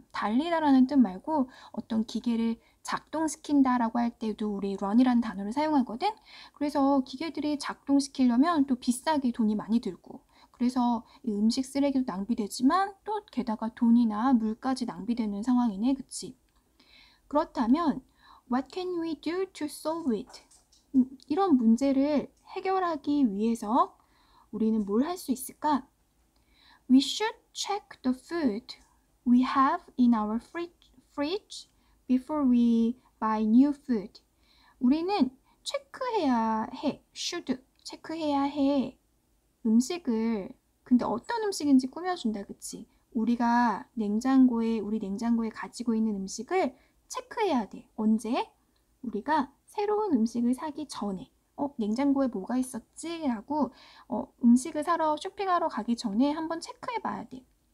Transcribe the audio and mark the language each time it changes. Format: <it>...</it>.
<ko>달리다라는 뜻 말고 어떤 기계를 작동시킨다라고 할 때도 우리 run이라는 단어를 사용하거든? 그래서 기계들이 작동시키려면 또 비싸게 돈이 많이 들고 그래서 이 음식 쓰레기도 낭비되지만 또 게다가 돈이나 물까지 낭비되는 상황이네, 그치? 그렇다면</ko> <en>what can we do to solve it?</en> <ko>이런 문제를 해결하기 위해서 우리는 뭘할수 있을까?</ko> <en>We should check the food we have in our fridge before we buy new food.</en> <ko>우리는 체크해야 해. should 체크해야 해. 음식을 근데 어떤 음식인지 꾸며준다, 그치? 우리 냉장고에 가지고 있는 음식을 체크해야 돼. 언제? 우리가 새로운 음식을 사기 전에. 냉장고에 뭐가 있었지?라고 음식을 사러 쇼핑하러 가기 전에 한번 체크해봐야 돼.</ko>